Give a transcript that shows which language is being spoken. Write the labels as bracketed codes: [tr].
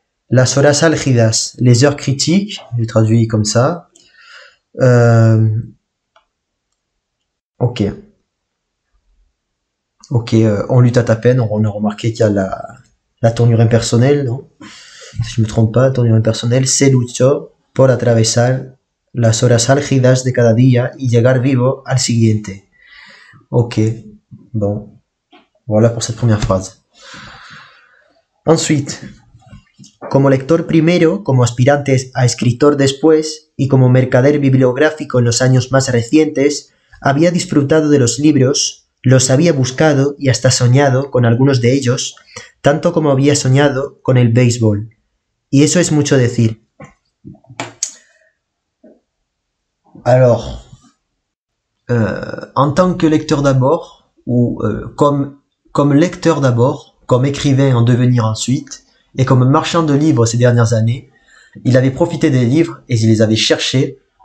[es] Las horas álgidas, [fr] les heures critiques, j'ai traduit comme ça. Ok. Ok, on lutte à peine, on a remarqué qu'il y a la tournure impersonnelle, non? Si je ne me trompe pas, tournure impersonnelle, [es] se luchó por atravesar las horas álgidas de cada día y llegar vivo al siguiente. [fr] Ok, bon, voilà pour cette première phrase. Ensuite, [es] como lector primero, como aspirante a escritor después y como mercader bibliográfico en los años más recientes, había disfrutado de los libros, los había buscado y hasta soñado con algunos de ellos, tanto como había soñado con el béisbol. Y eso es mucho decir. [fr] Alors, en tant que lecteur d'abord, ou comme lecteur d'abord, comme écrivain en devenir ensuite, et comme marchand de livres ces dernières années, il avait profité des livres et il les avait cherchés.